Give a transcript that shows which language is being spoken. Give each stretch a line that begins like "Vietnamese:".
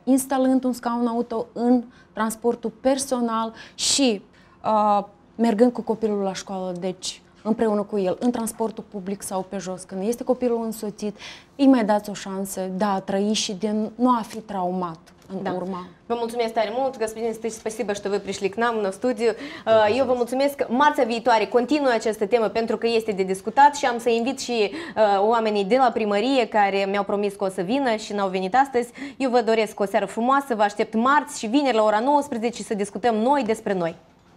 Romanian: Instalând un scaun auto în transportul personal și mergând cu copilul la școală, deci împreună cu el, în transportul public sau pe jos, când este copilul însoțit, îi mai dați o șansă de a trăi și de nu a fi traumat. Da. Vă mulțumesc tare mult,
Russian: господин Стеш, спасибо, что вы пришли к нам на студию.
Romanian: Eu vă mulțumesc. Marța viitoare continuă această temă pentru că este de discutat și am să invit și oamenii de la primărie care mi-au promis că o să vină și n-au venit astăzi. Eu vă doresc o seară frumoasă, vă aștept marți și vineri la ora 19 și să discutăm noi despre noi.